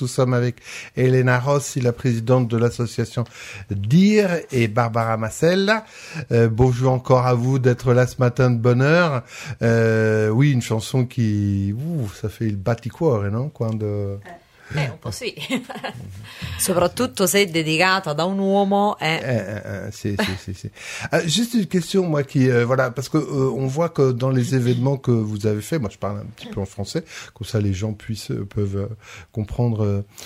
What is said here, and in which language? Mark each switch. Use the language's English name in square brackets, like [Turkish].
[French] Nous sommes avec Elena Rossi, la présidente de l'association DIR, et Barbara Massella. Bonjour encore à vous d'être là ce matin de bonne heure. Oui, une chanson qui... Ouh, ça fait le batticuore, non quand de... [Italian] Un po' sì, soprattutto se dedicata da un uomo. Sì. [French] Juste une question, moi, qui, voilà, parce que on voit que dans les événements que vous avez faits, moi, je parle un petit peu en français, comme ça, les gens peuvent comprendre.